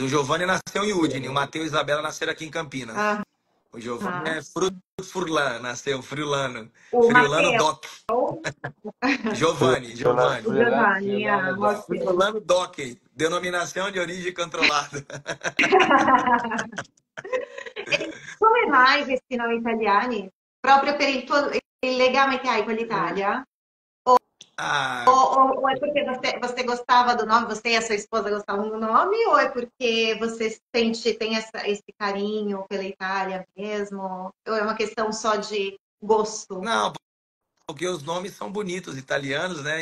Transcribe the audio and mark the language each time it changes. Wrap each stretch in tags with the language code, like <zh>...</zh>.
<pt>O Giovanni nasceu em Udine, o Matheus e a Isabela nasceram aqui em Campinas. O Giovanni é Furlan, nasceu Friulano. O Friulano Matteo. Doc. Giovanni, Giovanni. Giovanni, Friulano Doc. Denominação de origem controlada.</pt> <it>Come mai questi nomi italiani? Proprio per il legame che hai con l'Italia? Ah.</it> <pt>O</pt> <it>è perché</it> <pt>você gostava do nome, você e a sua esposa gostavam do nome, ou è perché você tem esse carinho pela Itália mesmo? Ou</pt> <it>è una questione</it> <pt>só</pt> <it>di</it> <pt>gosto? Não, porque os nomes são bonitos, italianos, né?</pt>